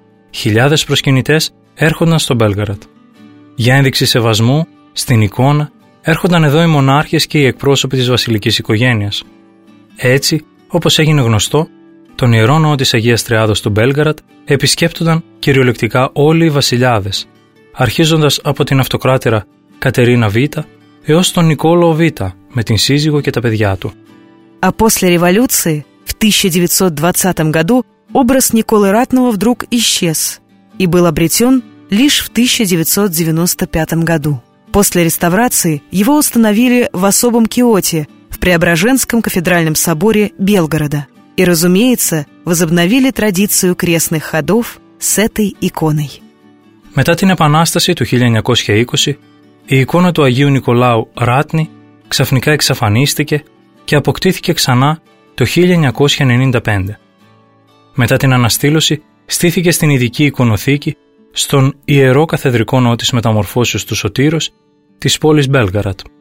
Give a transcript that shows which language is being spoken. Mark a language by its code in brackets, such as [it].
[el] Χιλιάδες προσκυνητές έρχονταν στο Μπέλγαραντ. Για ένδειξη σεβασμού, στην εικόνα, έρχονταν εδώ οι μονάρχες και οι εκπρόσωποι της βασιλικής οικογένειας. Έτσι, όπως έγινε γνωστό, τον Ιερό Ναό της Αγίας Τριάδος του Μπέλγαραντ επισκέπτονταν κυριολεκτικά όλοι οι βασιλιάδες, αρχίζοντας από την αυτοκράτερα Κατερίνα Β' έως τον Νικόλαο Β' με την σύζυγο και τα παιδιά του. [ru] После революции, в 1920 году, образ Николы Ратного вдруг исчез и был обретен лишь в 1995 году. После реставрации его установили в особом киоте в Преображенском кафедральном соборе Белгорода и, разумеется, возобновили традицию крестных ходов с этой иконой. [el] Μετά την Επανάσταση του 1920, η εικόνα του Αγίου Νικολάου Ράτνη ξαφνικά εξαφανίστηκε και αποκτήθηκε ξανά το 1995. Μετά την αναστήλωση, στήθηκε στην ειδική εικονοθήκη στον Ιερό Καθεδρικό Ναό της Μεταμορφώσεως του Σωτήρος της πόλης Μπέλγαρατ.